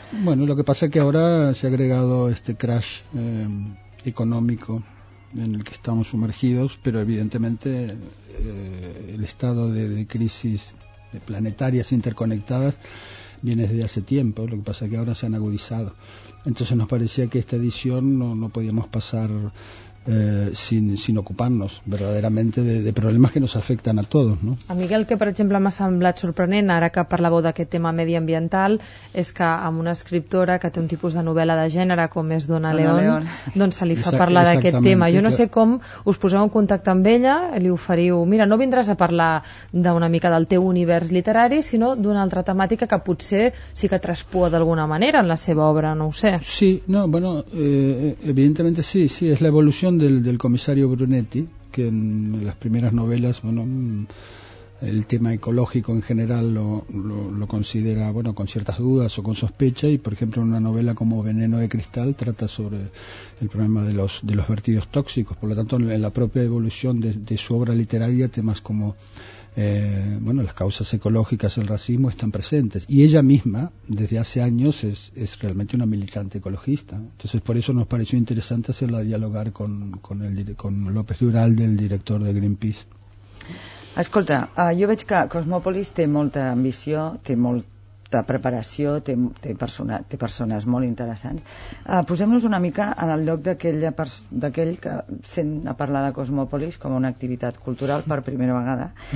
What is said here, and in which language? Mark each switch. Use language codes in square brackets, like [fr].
[es] Bueno, lo que pasa es que ahora se ha agregado este crash económico en el que estamos sumergidos, pero evidentemente el estado de crisis planetarias interconectadas viene desde hace tiempo, lo que pasa es que ahora se han agudizado. Entonces nos parecía que esta edición no podíamos pasar sin ocuparnos verdaderamente de [ca] problemes que nos afecten a tots, [es] no? [ca] A mi el que, per exemple, m'ha semblat sorprenent, ara que parlàveu d'aquest tema mediambiental, és que amb una escriptora que té un tipus de novel·la de gènere com és Dona León. Doncs se li fa parlar d'aquest tema. Jo no sé com us poseu en contacte amb ella i li oferiu, mira, no vindràs a parlar d'una mica del teu univers literari, sinó d'una altra temàtica que potser sí que traspua d'alguna manera en la seva obra, no ho sé. [es] Sí, no, bueno, evidentemente sí, sí, [ca] és l'evolució del [es] comisario Brunetti, que en las primeras novelas, bueno, el tema ecológico en general lo considera, bueno, con ciertas dudas o con sospecha, y por ejemplo una novela como Veneno de Cristal trata sobre el problema de los vertidos tóxicos. Por lo tanto, en la propia evolución de su obra literaria, temas como bueno, las causas ecológicas, el racismo, están presentes. Y ella misma, desde hace años, es realmente una militante ecologista. Entonces, por eso nos pareció interesante hacerla dialogar con López Duralde, el director de Greenpeace. [ca] Escolta, jo veig que Cosmòpolis té molta ambició, té molt aquesta preparació té persones molt interessants. Posem-nos una mica en el lloc d'aquell que sent a parlar de Cosmòpolis com una activitat cultural per primera vegada.